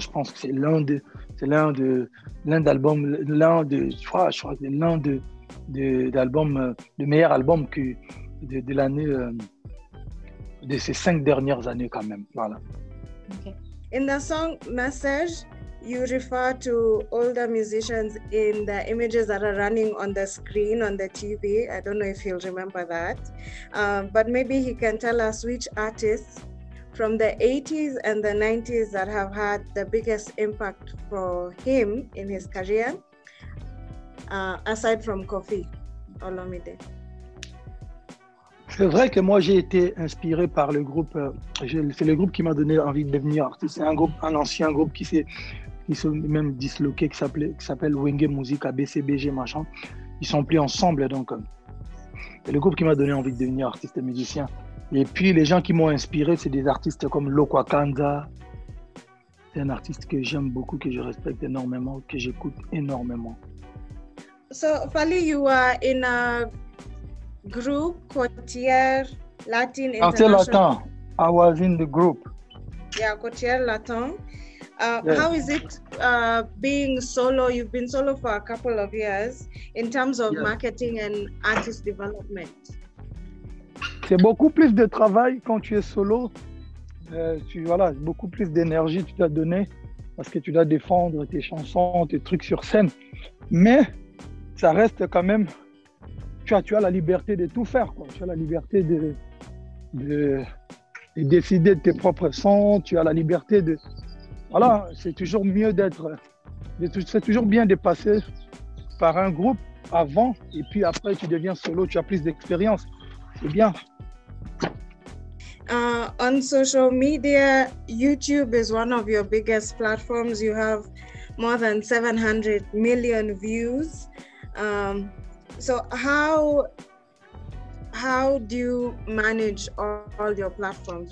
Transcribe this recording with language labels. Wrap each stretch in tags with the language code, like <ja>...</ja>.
<fr>Je pense que c'est le meilleur album de l'année, de ces 5 dernières années quand même. Voilà.</fr> <en>Okay. In the song Message, you refer to older musicians in the images that are running on the screen on the TV. I don't know if he'll remember that, but maybe he can tell us which artists from the 80s and the 90s that have had the biggest impact for him in his career, aside from Koffi Olomide.</en> <fr>C'est vrai que moi j'ai été inspiré par le groupe, c'est le groupe qui m'a donné envie de devenir artiste. C'est un ancien groupe qui s'est même disloqué, qui s'appelle Wenge Musica, BCBG machin. Ils sont plus ensemble donc. C'est le groupe qui m'a donné envie de devenir artiste et musicien. Et puis les gens qui m'ont inspiré, c'est des artistes comme Lokwa Kanza. C'est un artiste que j'aime beaucoup, que je respecte énormément, que j'écoute énormément.</fr> <en>So Fally, you are in a group, Quartier Latin International. Quartier Latin. I was in the group. Yeah, Quartier Latin. Yes. How is it being solo? You've been solo for a couple of years in terms of marketing and artist development.</en> <fr>C'est beaucoup plus de travail quand tu es solo. Beaucoup plus d'énergie tu dois donner parce que tu dois défendre tes chansons, tes trucs sur scène. Mais ça reste quand même. Tu as la liberté de tout faire, quoi. Tu as la liberté de décider de tes propres sons. Tu as la liberté de. Voilà, c'est toujours mieux d'être. C'est toujours bien de passer par un groupe avant et puis après tu deviens solo. Tu as plus d'expérience. C'est bien.</fr> <en>On social media, YouTube is one of your biggest platforms. You have more than 700 million views. So how do you manage all your platforms?</en>